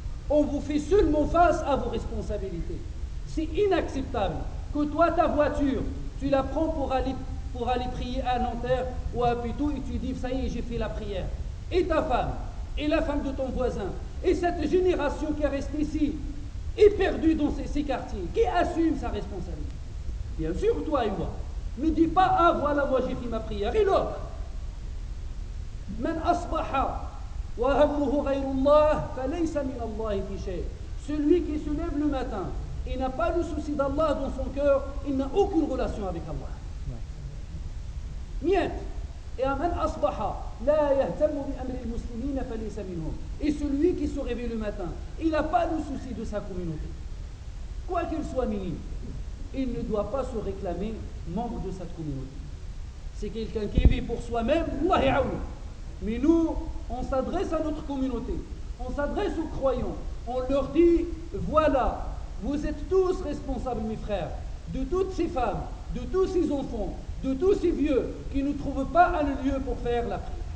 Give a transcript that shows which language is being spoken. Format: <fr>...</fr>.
<fr>On vous fait seulement face à vos responsabilités. C'est inacceptable que toi, ta voiture, tu la prends pour aller prier à Nanterre ou à Pitou et tu dis, ça y est, j'ai fait la prière. Et ta femme, et la femme de ton voisin, et cette génération qui est restée ici, est perdue dans ces quartiers, qui assume sa responsabilité. Bien sûr, toi et moi. Ne dis pas, ah voilà, moi j'ai fait ma prière. Et l'autre,</fr> <ar>من أصبح وهمه غير الله فليس من الله في شيء.</ar> <fr>Celui qui se lève le matin et n'a pas le souci d'Allah dans son cœur, il n'a aucune relation avec Allah. Miet. Et</fr> <ar>من أصبح لا يهتم بأمر المسلمين فليس منهم.</ar> <fr>Et celui qui se réveille le matin, il n'a pas le souci de sa communauté, quoi qu'il soit minime. Il ne doit pas se réclamer membre de cette communauté. C'est quelqu'un qui vit pour soi-même.</fr> <ar>Allah ya'awnou.</ar> <fr>Mais nous, on s'adresse à notre communauté, on s'adresse aux croyants, on leur dit, voilà, vous êtes tous responsables, mes frères, de toutes ces femmes, de tous ces enfants, de tous ces vieux qui ne trouvent pas un lieu pour faire la prière.</fr>